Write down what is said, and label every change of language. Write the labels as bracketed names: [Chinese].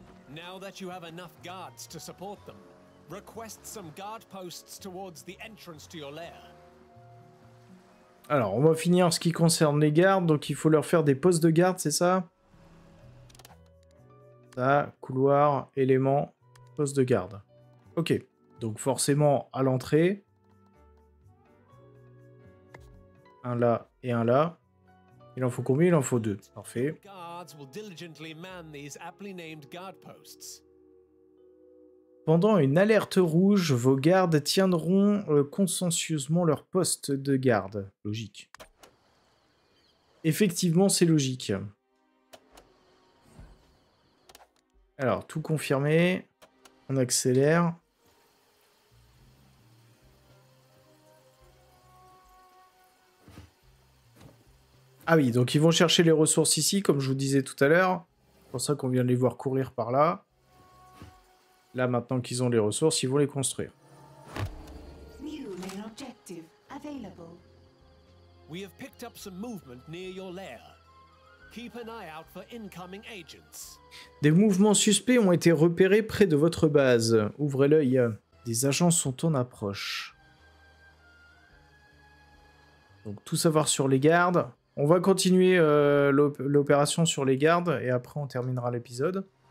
[English] Now that you have enough guards to support them, request some guard posts towards the entrance to your lair. [French] Alors, on va finir en ce qui concerne les gardes, donc il faut leur faire des postes de garde, c'est ça? Ça, couloir, élément, poste de garde. Ok, donc forcément à l'entrée. Un là et un là. Il en faut combien? Il en faut deux. Parfait. [English] Les gardes vont diligentement these aptly named guard posts. [French] Pendant une alerte rouge, vos gardes tiendront consciencieusement leur poste de garde. Logique. Effectivement, c'est logique. Alors, tout confirmé. On accélère. Ah oui, donc ils vont chercher les ressources ici, comme je vous disais tout à l'heure. C'est pour ça qu'on vient de les voir courir par là. Là, maintenant qu'ils ont les ressources, ils vont les construire. [English] New main objective available. We have picked up some movement near your lair. Keep an eye out for incoming agents. [French] Des mouvements suspects ont été repérés près de votre base. Ouvrez l'œil. Des agents sont en approche. Donc, tout savoir sur les gardes. On va continuer l'opération sur les gardes et après, on terminera l'épisode.